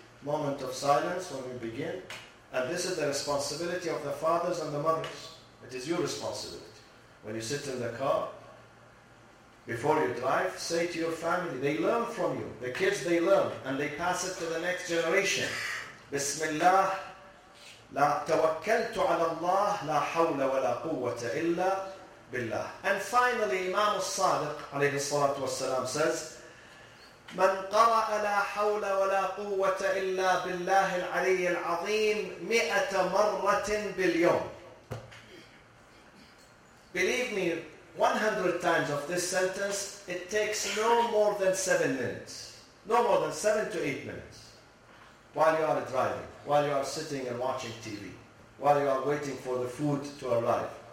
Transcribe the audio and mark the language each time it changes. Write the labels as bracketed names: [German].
[English] Moment of silence when we begin. And this is the responsibility of the fathers and the mothers. It is your responsibility. When you sit in the car, before you drive, say to your family, they learn from you. The kids, they learn, and they pass it to the next generation. [Arabic] Bismillah, لا توكلت على الله, لا حول ولا قوة إلا بالله. [English] And finally, Imam al-Sadiq, alayhi salatu wasalam, says, [Arabic] من قرأ لا حول ولا قوة إلا بالله العلي العظيم 100 مرة باليوم. [English] Believe me, 100 times of this sentence, it takes no more than 7 minutes. No more than 7 to 8 minutes. While you are driving, while you are sitting and watching TV, while you are waiting for the food to arrive.